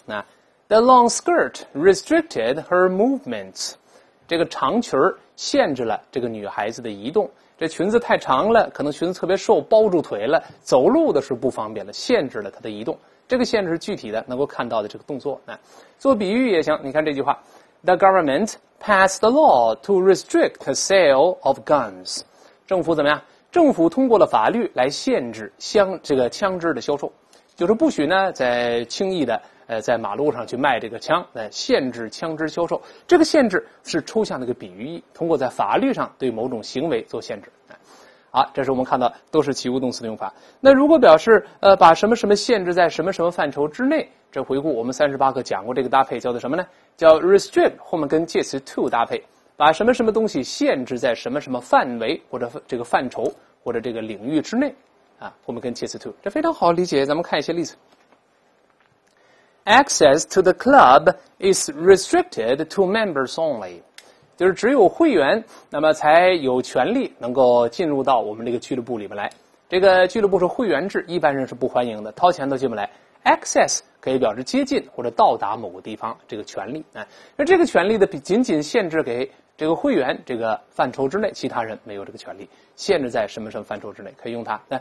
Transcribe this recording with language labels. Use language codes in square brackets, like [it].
[en] 那 The long skirt restricted her movements. [zh] 这个长裙限制了这个女孩子的移动。这裙子太长了，可能裙子特别瘦，包住腿了，走路的是不方便了，限制了她的移动。这个限制是具体的，能够看到的这个动作。做比喻也行，你看这句话。 [en] The government passed a law to restrict the sale of guns. [zh] 政府怎么样？政府通过了法律来限制枪支的销售。就是不许呢，在轻易的在马路上去卖这个枪，限制枪支销售。这个限制是抽象的一个比喻意，通过在法律上对某种行为做限制。好，这是我们看到都是及物动词的用法。那如果表示把什么什么限制在什么什么范畴之内，这回顾我们38课讲过这个搭配叫做什么呢？叫 restrict， 后面跟介词 to 搭配，把什么什么东西限制在什么什么范围或者这个范畴或者这个领域之内啊，后面跟介词 to， 这非常好理解。咱们看一些例子。 [en] Access to the club is restricted to members only. [zh] 就是只有会员那么才有权利能够进入到我们这个俱乐部里面来。这个俱乐部是会员制，一般人是不欢迎的，掏钱都进不来。 Access 可以表示接近或者到达某个地方，这个权利。这个权利的仅仅限制给这个会员这个范畴之内，其他人没有这个权利，限制在什么什么范畴之内，可以用它。